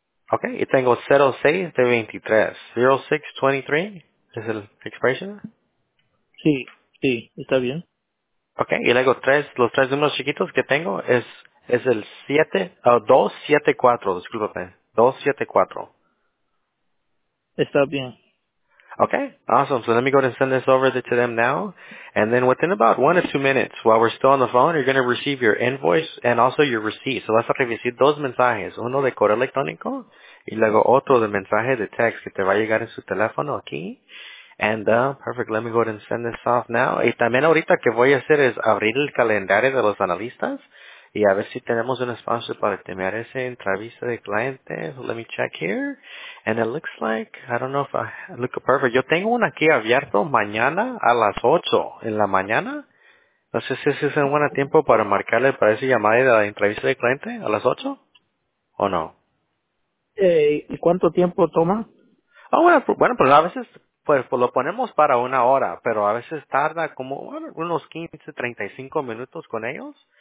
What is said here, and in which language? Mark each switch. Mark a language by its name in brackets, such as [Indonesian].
[Spanish] Okay, y tengo 06 de 23, ¿es el expression? Sí, sí, está bien. Okay, y luego los tres números chiquitos que tengo es el 274, discúlpame, 274. Está bien. [English] Okay, awesome. So let me go ahead and send this over to them now. And then within about 1 to 2 minutes, while we're still on the phone, you're going to receive your invoice and also your receipt. [Spanish] So vas a recibir dos mensajes, uno de correo electrónico y luego otro de mensaje de text que te va a llegar en su teléfono aquí. [English] And perfect, let me go ahead and send this off now. [Spanish] Y también ahorita que voy a hacer es abrir el calendario de los analistas y a ver si tenemos un espacio para terminar esa entrevista de clientes. [English] So let me check here. And it looks like, I don't know if I look perfect. [Spanish] Yo tengo una aquí abierto mañana a las 8 en la mañana. No sé si ese es un buen tiempo para marcarle para esa llamada de la entrevista de cliente a las 8 o no. ¿Y cuánto tiempo toma? Ah, oh, bueno, pues a veces pues lo ponemos para una hora, pero a veces tarda como unos 15, 35 minutos con ellos.